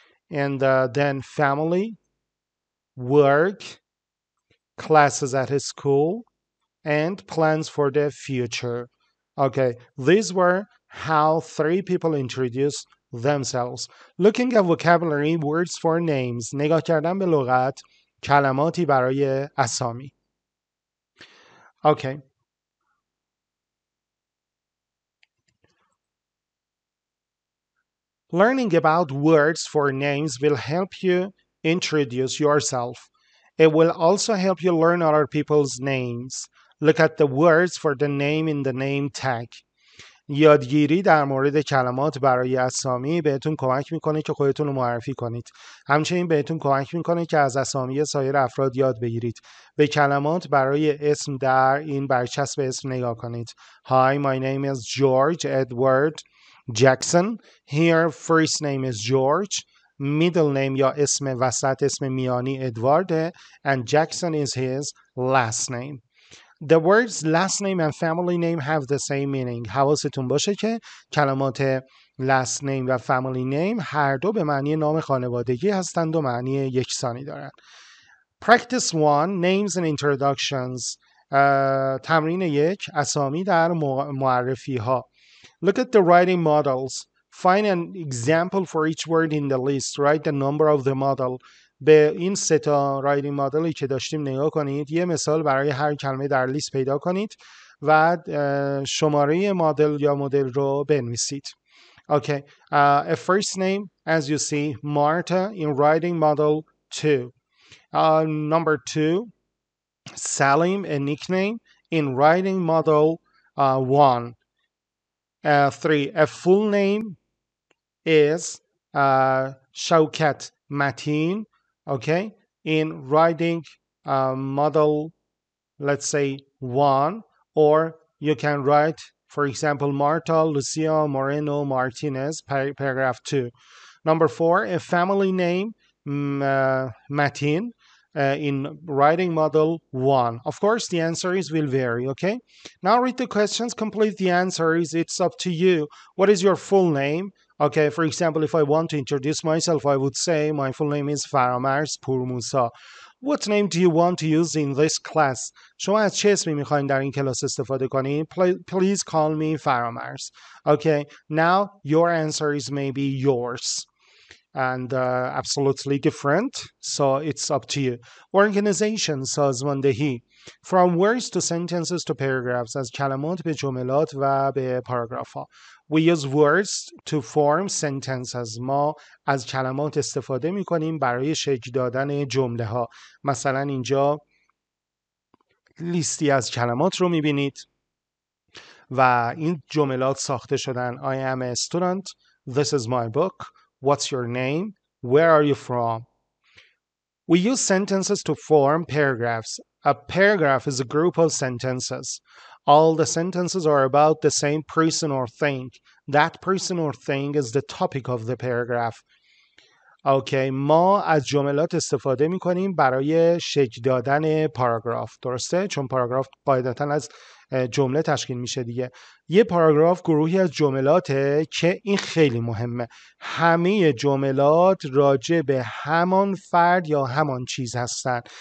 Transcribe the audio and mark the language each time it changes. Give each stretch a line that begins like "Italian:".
English: And then family, work, classes at his school, and plans for the future. Okay, these were how three people introduce themselves. Looking at vocabulary, words for names.
Persian: نگاه کردم به لغت، کلماتی برای اسامی.
English: Okay. Learning about words for names will help you introduce yourself. It will also help you learn other people's names. Look at the words for the name in the name tag.
Persian: یادگیری در مورد کلمات برای اسامی بهتون کمک میکنه که خودتون رو معرفی کنید. همچنین بهتون کمک میکنه که از اسامی سایر افراد یاد بگیرید. به کلمات برای اسم در این برچسب اسم نگاه کنید.
English: Hi, my name is George Edward Jackson. Here, first name is George. Middle name
Persian: یا اسم وسط، اسم میانی ادوارده.
English: And Jackson is his last name. The words last name and family name have the same meaning.
Persian: حواستون باشه که کلمات last name و family name هر دو به معنی نام خانوادگی هستند و معنی یکسانی دارن.
English: Practice 1, names and introductions.
Persian: تمرین 1, اسامی در معرفی ها.
English: Look at the writing models. Find an example for each word in the list. Write the number of the model.
Persian: به این سه تا writing modelی که داشتیم نگاه کنید. یه مثال برای هر کلمه در لیست پیدا کنید و شماره مدل یا مدل رو بنویسید.
English: Okay. A first name, as you see, Marta in writing model 2. Number 2, Salim, a nickname in writing model 1. 3, a full name is Shaukat Mateen, okay, in writing model, let's say, 1, or you can write, for example, Marta Lucia Moreno Martinez, paragraph 2. Number 4, a family name, Mateen, in writing model 1. Of course, the answers will vary, okay? Now read the questions, complete the answers. It's up to you. What is your full name? Okay, for example, if I want to introduce myself, I would say my full name is Faramarz Pourmoussa. What name do you want to use in this class?
Persian: شما از چه اسمی میخواین در این کلاس استفاده کنین؟
English: Please call me Faramarz. Okay, now your answer is maybe yours. And absolutely different. So it's up to you. Organization, سازماندهی. From words to sentences to paragraphs.
Persian: از کلمات به جملات و به پاراگراف ها.
English: We use words to form sentences.
Persian: ما از کلمات استفاده می کنیم برای شکل دادن جمله ها. مثلا اینجا لیستی از کلمات رو می بینید و این جملات ساخته شدن.
English: I am a student. This is my book. What's your name? Where are you from? We use sentences to form paragraphs. A paragraph is a group of sentences. All the sentences are about the same person or thing. That person or thing is the topic of the paragraph.
Persian: Okay, ما از جملات استفاده می کنیم برای شکل دادن پاراگراف. درسته؟ چون پاراگراف قاعدتا از جمله تشکیل میشه دیگه. یه پاراگراف گروهی از جملاته که این خیلی مهمه. همه جملات راجع به همان فرد یا همان چیز هستن.